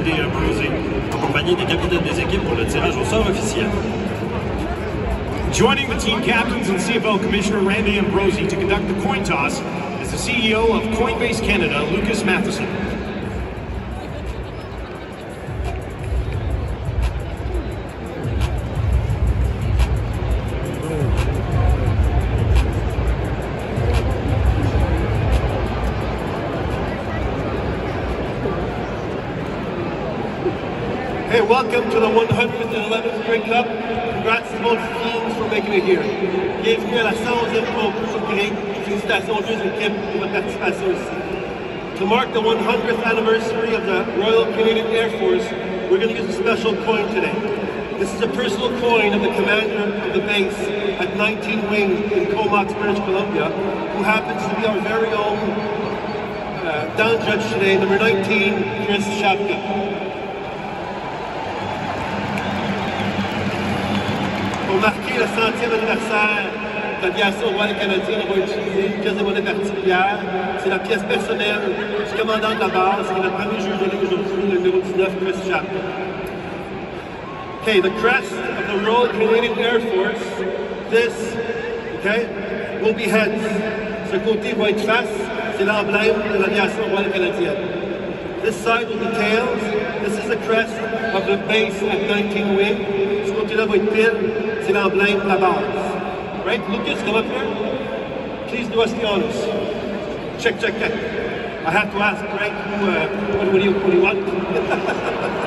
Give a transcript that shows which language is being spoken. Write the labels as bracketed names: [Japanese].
[French] des Bruising, accompagné des capitaines des équipes pour le tirage au sort officiel. [English] Joining the team captains and CFL Commissioner Randy Ambrosi to conduct the coin toss is the CEO of Coinbase Canada, Lucas Matheson. Hey, welcome to the 111th Grey Cup. Congrats to both teams for making it here. [French] Bienvenue à la 111e Coupe du Grey. Félicitations aux deux équipes pour votre participation ici. [English] To mark the 100th anniversary of the Royal Canadian Air Force, we're going to use a special coin today. This is a personal coin of the commander of the base at 19 Wing in Comox, British Columbia, who happens to be our very own down judge today, number 19, Chris Shapka. [French] Pour marquer le centième anniversaire de l'aviation royale canadienne, on va utiliser une pièce de monnaie particulière. C'est la pièce personnelle du commandant de la base qui est notre premier juge de ligne aujourd'hui, le numéro 19, Chris Chapman. [English] Okay, the crest of the Royal Canadian Air Force, this, okay, will be heads. [French] Ce côté va être face, c'est l'emblème de l'aviation royale canadienne. [English] This side will be tails. This is the crest of the base at 19 Wing. [French] Ce côté-là va être pile. C'est l'emblème de la base. [English] Right, Lucas, come up here. Please do us the honors. Check, check, check. I have to ask, right, what do you want?